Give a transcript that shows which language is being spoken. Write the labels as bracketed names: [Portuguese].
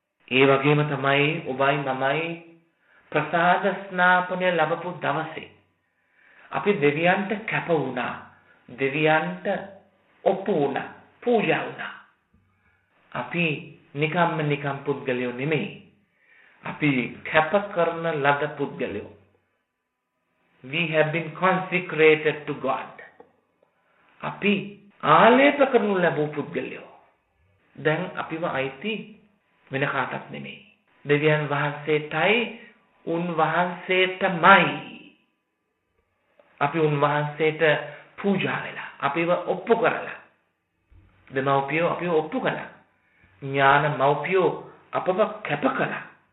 [Sinhala] ඒ වගේම තමයි ඔබයි මමයි ප්‍රසාද ස්නාපනය ලැබපු දවසේ අපි දෙවියන්ට කැප වුණා, දෙවියන්ට ඔප්පු වුණා, පූජා වුණා. අපි නිකම්ම නිකම් පුද්ගලයෝ නෙමෙයි, අපි කැප කරන ලද පුද්ගලයෝ. [English] We have been consecrated to God. [Sinhala] අපි ආලේප කරනු ලැබූ පුද්ගලයෝ. දැන් අපිව අයිති වෙන කාටත් නෙමෙයි, දෙවියන් වහන්සේටයි, උන්වහන්සේටමයි. අපි උන්වහන්සේට පූජා වෙලා, අපිව ඔප්පු කරලා, දෙමව්පියෝ අපිව ඔප්පු කළා, ඥාන මව්පියෝ අපව කැප කළා.